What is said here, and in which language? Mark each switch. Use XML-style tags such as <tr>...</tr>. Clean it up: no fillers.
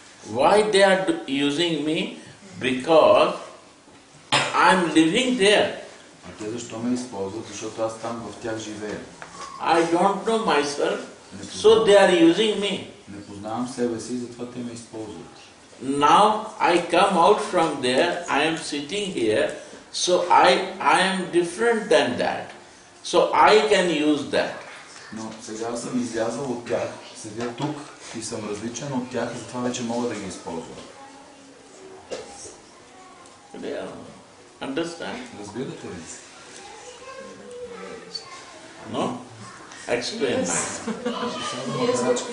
<en>Why they are using me? Because I'm living there.</en> <bg>А те защо ме използват? Защото аз там в тях живея.</bg> <en>I don't know myself, so they are using me.</en> <bg>Не познавам себе си, затова те ме използват.</bg> <en>Now I come out from there, I am sitting here, so I am different than that. So I can use that.</en> <bg>Но сега съм излязъл от тях, седя тук и съм различен от тях, затова вече мога да ги използвам.</bg> <en>Understand?</en> <bg>Разбирате ли?</bg> <en>No? Explain.</en>